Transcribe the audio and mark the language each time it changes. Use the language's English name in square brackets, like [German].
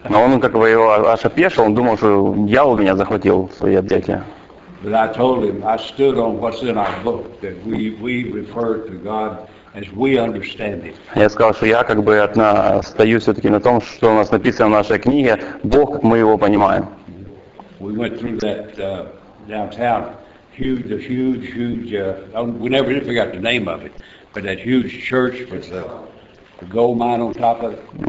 [Russian] Но он как бы его аж опешил, он думал, что дьявол меня захватил в свои объятия. [English] But I told him, I stood on what's in our book, that we refer to God as we understand it. [Russian] Я сказал, что я как бы стою все-таки на том, что у нас написано в нашей книге, Бог, мы его понимаем. [English] We went through that downtown, huge, we never forgot the name of it, but that huge church with the gold mine on top of it.